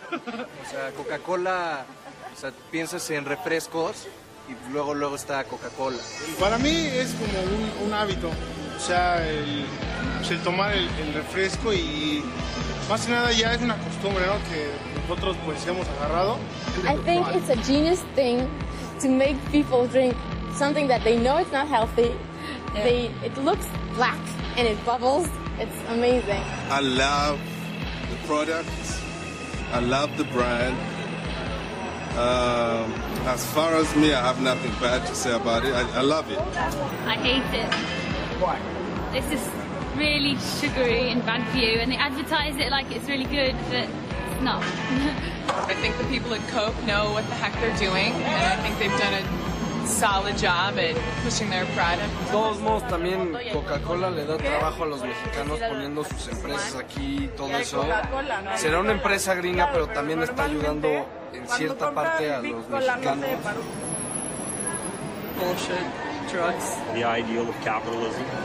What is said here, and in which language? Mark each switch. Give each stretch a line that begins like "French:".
Spanish: O sea, Coca-Cola, o sea, piensas en refrescos y luego está Coca-Cola. Para mí es como un hábito. sea, el tomar el refresco y más que nada ya es una costumbre, ¿no? Que nosotros pues hemos agarrado.
English: I think it's a genius thing to make people drink something that they know it's not healthy. Yeah. It looks black and it bubbles. It's amazing. I love the product. I love the brand. As far as me, I have nothing bad to say about it. I love it. I hate it. Why? It's just really sugary and bad for you, and they advertise it like it's really good, but it's not. I think the people at Coke know what the heck they're doing, and I think they've done a solid job at pushing their product.
Spanish: Todos modos, también Coca-Cola le da trabajo a los mexicanos poniendo sus empresas aquí y todo eso. Será una empresa gringa, pero también está ayudando en cierta parte a los mexicanos.
English: Bullshit. Drugs. The ideal of capitalism.